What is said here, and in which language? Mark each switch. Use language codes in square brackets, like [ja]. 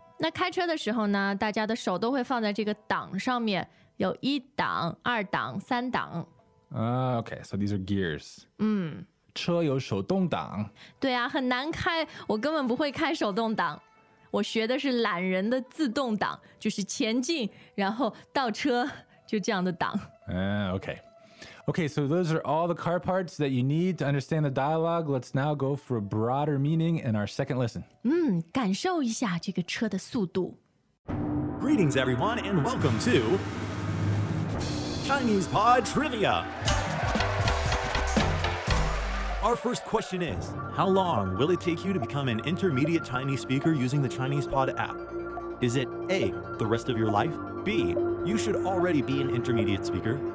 [zh] 那开车的时候呢，大家的手都会放在这个挡上面，有一档、二档、三档。 [en] Okay, so these are gears. 嗯， [zh] 车有手动挡。对啊，很难开，我根本不会开手动挡。我学的是懒人的自动挡，就是前进，然后倒车，就这样的挡。 [en] Okay, so those are all the car parts that you need to understand the dialogue. Let's now go for a broader meaning in our second listen. [zh] 感受一下这个车的速度。 [en] Greetings, everyone, and welcome to Chinese Pod Trivia. Our first question is, how long will it take you to become an intermediate Chinese speaker using the Chinese Pod app? Is it A, the rest of your life? B, you should already be an intermediate speaker?